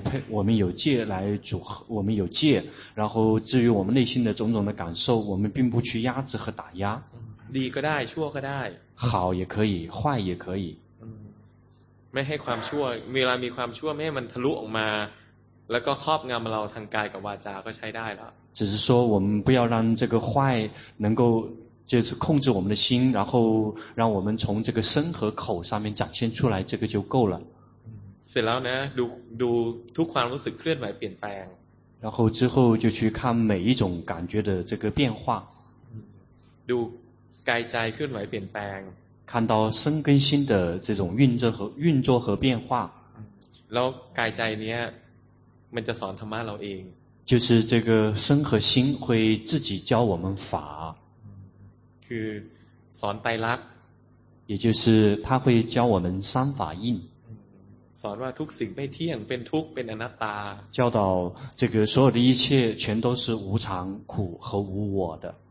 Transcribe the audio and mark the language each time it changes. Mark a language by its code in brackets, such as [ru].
[zh] 我们有戒，然后至于我们内心的种种的感受，我们并不去压制和打压。 [th] ดีก็ได้ชั่วก็ได้ [zh] 好也可以，坏也可以。 [th] ไม่ให้ความชั่วเวลามีความชั่วไม่ให้มันทะลุออกมาแล้วก็ครอบงำเราทางกายกับวาจาก็ใช้ได้ละ [zh] 只是说我们不要让这个坏能够就是控制我们的心，然后让我们从这个身和口上面展现出来，这个就够了。 [th] เสร็จแล้วนะดูทุกความรู้สึกเคลื่อนไหวเปลี่ยนแปลง [zh] 然后之后就去看每一种感觉的这个变化 [th] ดูกายใจเคลื่อนไหวเปลี่ยนแปลง [zh] 看到身跟心的这种运作和变化 [th] แล้วกายใจเนี้ยมันจะสอนธรรมะเราเอง [zh] 就是这个身和心会自己教我们法 [th] คือสอนไตรลักษณ์ [zh] 也就是他会教我们三法印 [th] สอนว่าทุกสิ่งไม่เที่ยงเป็นทุกข์เป็นอนัตตา [zh] 教导这个所有的一切全都是无常苦和无我的